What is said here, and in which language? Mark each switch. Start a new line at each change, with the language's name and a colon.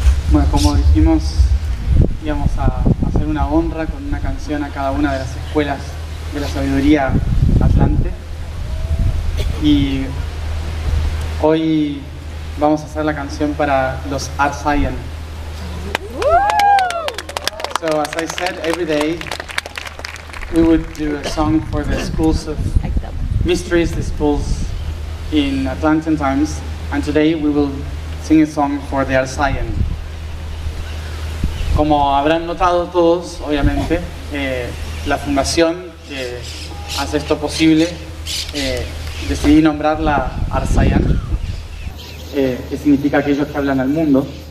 Spanish: Bueno, como dijimos, íbamos a hacer una honra con una canción a cada una de las escuelas de la sabiduría atlante. Y hoy vamos a hacer la canción para los Arsayian.
English: So as I said, every day we would do a song for the schools of mysteries, the schools in Atlantean times, and today we will sing a song for the Arsayian.
Spanish: Como habrán notado todos, obviamente, la fundación que hace esto posible, decidí nombrarla Arsayian, que significa aquellos que hablan al mundo.